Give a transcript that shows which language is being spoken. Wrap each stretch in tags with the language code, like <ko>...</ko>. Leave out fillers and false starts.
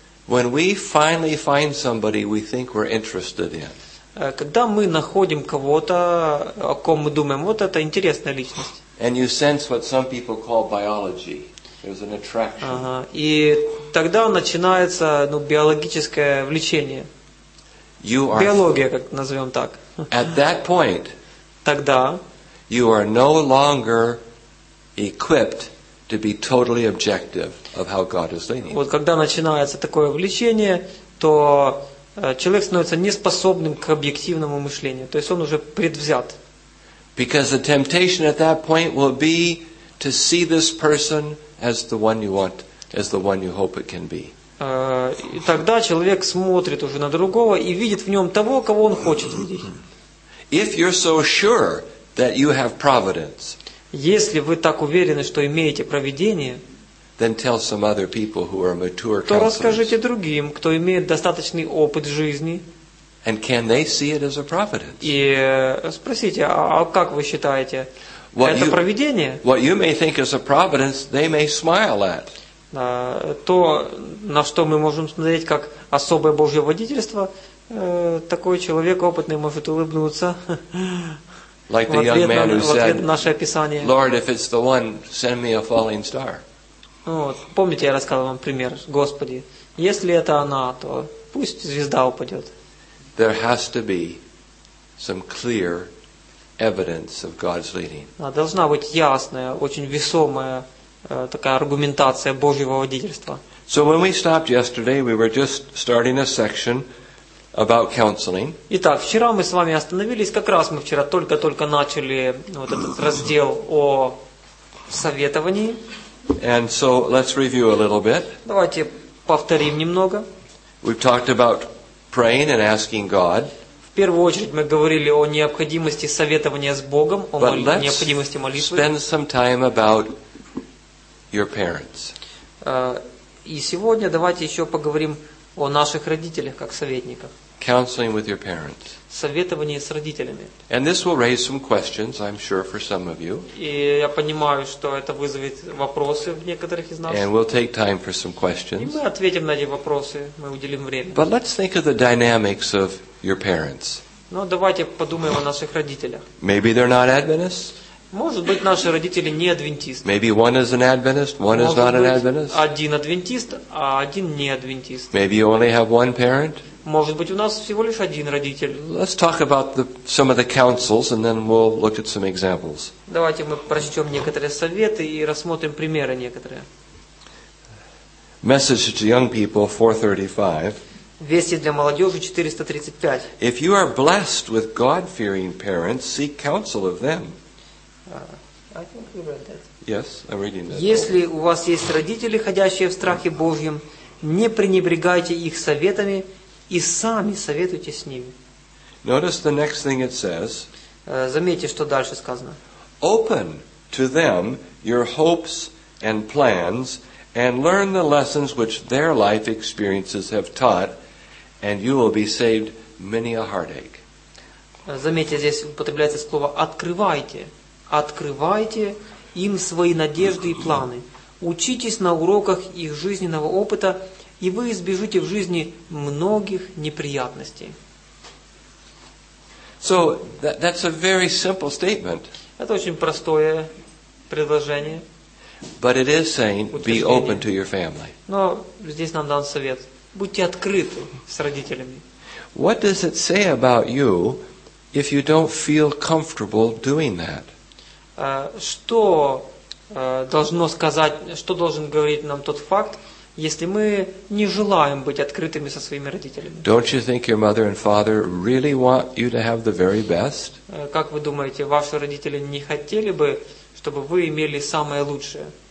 <en>When we finally find somebody we think we're interested in.</en> <ru>Когда мы находим кого-то, о ком мы думаем, вот это интересная личность.</ru> <en>And you sense what some people call biology. There's an attraction.</en> <ru>И тогда начинается, ну, биологическое влечение.</ru> <en>You are</en> <ru>биология, как назовем так.</ru> <en>At that point.</en> <ru>Тогда.</ru> <en>You are no longer equipped to be totally objective of how God is leading.</en> <ru>Вот когда начинается такое влечение, то человек становится неспособным к объективному мышлению, то есть он уже предвзят.</ru> <en>Because the temptation at that point will be to see this person as the one you want, as the one you hope it can be.</en> <ru>И тогда человек смотрит уже на другого и видит в нем того, кого он хочет видеть.</ru> <en>If you're so sure that you have providence,</en> <ru>если вы так уверены, что имеете провидение,</ru> <en>then tell some other people who are mature counselors.</en> <ru>То расскажите другим, кто имеет достаточный опыт жизни.</ru> <en>And can they see it as a providence?</en> <ru>И спросите, а как вы считаете, это провидение?</ru> <en>What you may think is a providence, they may smile at.</en> <ru>То, на что мы можем смотреть как особое Божье водительство, такой человек опытный может улыбнуться.</ru> <en>Like the young man who said,</en> <ru>наше описание.</ru> <en>Lord, if it's the one, send me a falling star.</en> <ru>Вот, помните, я рассказывал вам пример. Господи, если это она, то пусть звезда упадет.</ru> <en>There has to be some clear evidence of God's leading.</en> <ru>Должна быть ясная, очень весомая такая аргументация Божьего водительства.</ru> <en>So when we stopped yesterday, we were just starting a section about counseling.</en> <ru>Итак, вчера мы с вами остановились, как раз мы вчера только-только начали вот этот раздел о советовании.</ru> <en>And so let's review a little bit.</en> <ru>Давайте повторим немного.</ru> <en>We've talked about praying and asking God.</en> <ru>В первую очередь мы говорили о необходимости советования с Богом, о необходимости молитвы.</ru> <en>But let's spend some time about your parents.</en> <ru>И сегодня давайте еще поговорим о наших родителях как советниках.</ru> <en>Counseling with your parents.</en> <ru>Советование с родителями.</ru> <en>And this will raise some questions, I'm sure, for some of you.</en> <ru>И я понимаю, что это вызовет вопросы в некоторых из нас.</ru> <en>And we'll take time for some questions.</en> <ru>И мы ответим на эти вопросы, мы уделим время.</ru> <en>But let's think of the dynamics of your parents.</en> <ru>Но давайте подумаем о наших родителях.</ru> <en>Maybe they're not Adventists.</en> <ru>Может быть, наши родители не адвентисты.</ru> <en>Maybe one is an Adventist, one is not an Adventist.</en> <ru>Один адвентист, а один не адвентист.</ru> <en>Maybe you only have one parent.</en> <ru>Может быть, у нас всего лишь один родитель.</ru> <en>Let's talk about some of the counsels, and then we'll look at some examples.</en> <ru>Давайте мы прочтем некоторые советы и рассмотрим примеры некоторые.</ru> <en>Message to young people, 435.</en> <ru>Вести для молодежи, 435.</ru> <en>If you are blessed with God-fearing parents, seek counsel of them. I think we read that. Yes, I'm reading that.</en> <ru>Если у вас есть родители, ходящие в страхе Божьем, не пренебрегайте их советами, и сами советуйтесь с ними.</ru> <en>Notice the next thing it says.</en> <ru>Заметьте, что дальше сказано.</ru> <en>Open to them your hopes and plans, and learn the lessons which their life experiences have taught, and you will be saved many a heartache.</en> <ru>Заметьте, здесь употребляется слово «открывайте». Открывайте им свои надежды и планы. Учитесь на уроках их жизненного опыта, и вы избежите в жизни многих неприятностей.</ru> <en>So that's a very simple statement.</en> <ru>Это очень простое предложение.</ru> <en>But it is saying be open to your family.</en> <ru>Но здесь нам дан совет. Будьте открыты с родителями.</ru> <en>What does it say about you if you don't feel comfortable doing that?</en> <ru>Что должен говорить нам тот факт, если мы не желаем быть открытыми со своими родителями?</ru> <en>Don't you think your mother and father really want you to have the very best?</en> <ru>Как вы думаете, ваши родители не хотели бы, чтобы вы имели самое лучшее?</ru>